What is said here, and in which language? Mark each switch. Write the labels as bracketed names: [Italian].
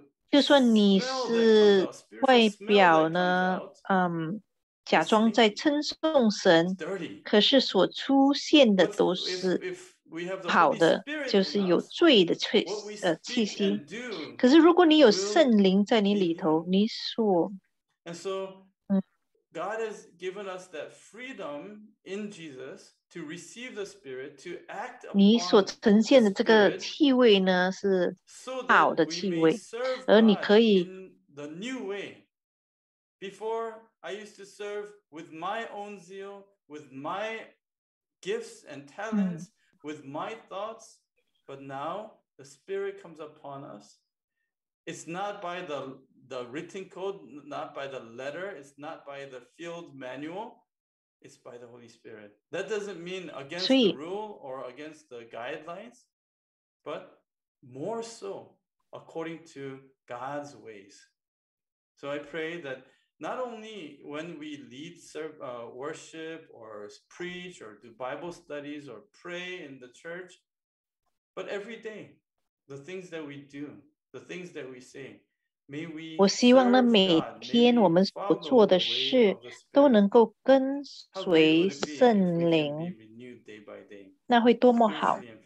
[Chinese] 就说你是外表呢，假装在称颂神，可是所出现的都是跑的，就是有罪的气息。可是如果你有圣灵在你里头，你所 [English] God has given us that freedom in Jesus. To receive the Spirit, to act upon the Spirit, [Chinese] 你所呈现的这个气味呢是好的气味，而你可以。 [English] The new way. Before I used to serve with my own zeal, with my gifts and talents, with my thoughts, but now the Spirit comes upon us. It's not by the written code, not by the letter, it's not by the field manual. It's by the Holy Spirit. That doesn't mean against the rule or against the guidelines, but more so according to God's ways. So I pray that not only when we lead worship or preach or do Bible studies or pray in the church, but every day, the things that we do, the things that we say, [Chinese] 我希望呢，每天我们所做的事都能够跟随圣灵，那会多么好！